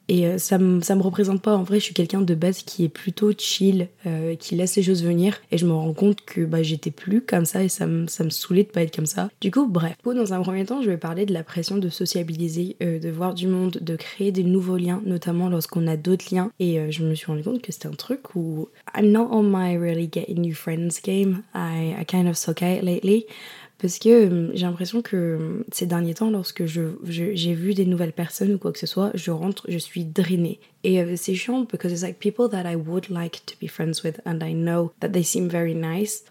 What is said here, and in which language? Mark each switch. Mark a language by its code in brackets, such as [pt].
[fr] Et ça me représente pas. En vrai, je suis quelqu'un de base qui est plutôt chill, qui laisse les choses venir. Et je me rends compte que bah, j'étais plus comme ça et ça me saoulait de pas être comme ça. Du coup, bref. Dans un premier temps, je vais parler de la pression de sociabiliser, de voir du monde, de créer des nouveaux liens, notamment lorsqu'on a d'autres liens. Et je me suis rendu compte que c'était un truc où... [en] I'm not on my really getting new friends game. I kind of suck at lately. [fr] Parce que j'ai l'impression que ces derniers temps, lorsque j'ai vu des nouvelles personnes ou quoi que ce soit, je rentre, je suis drainée. Et c'est chiant, [en] because it's like people that I would like to be friends with and I know that they seem very nice.